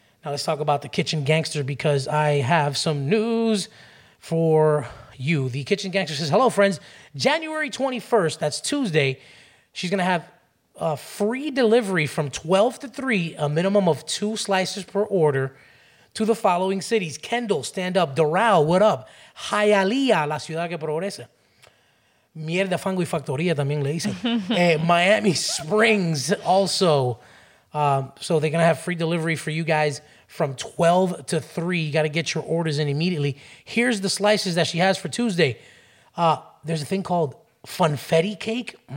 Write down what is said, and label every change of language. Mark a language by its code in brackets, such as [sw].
[en] Now let's talk about the Kitchen Gangster because I have some news for you. The Kitchen Gangster says, hello, friends. January 21st, that's Tuesday, she's going to have a free delivery from 12 to 3, a minimum of 2 slices per order, to the following cities. Kendall, stand up. Doral, what up? [es] Hialeah, La Ciudad que Progresa. Mierda, Fango y Factoria, también le dicen. [en] Miami Springs, also. So they're going to have free delivery for you guys from 12 to 3. You got to get your orders in immediately. Here's the slices that she has for Tuesday. There's a thing called funfetti cake.